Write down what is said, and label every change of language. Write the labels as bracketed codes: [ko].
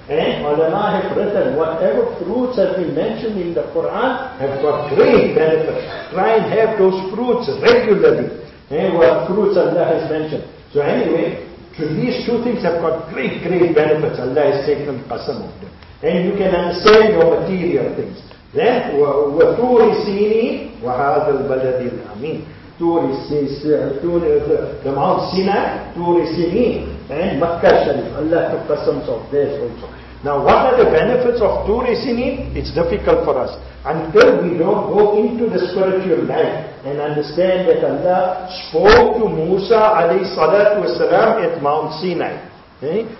[en] And ulama have written, whatever fruits have been mentioned in the Quran have got great benefit. Try and have those fruits regularly. And what fruits Allah has mentioned. So anyway, so these two things have got great, great benefits. Allah has taken qasam of them. And you can understand your material things. [ar] Then, وَتُورِ سِينِ وَهَذَا الْبَلَدِ الْأَمِينِ تُورِ سِينِ the Mount Sinai, تُورِ سِينِ and Makkah Sharif. [en] Allah took qasams of this also. Now what are the benefits of تُورِ سِينِ? It's difficult for us. Until we don't go into the spiritual life and understand that Allah spoke to Musa alayhi salatu wasalam at Mount Sinai. Okay?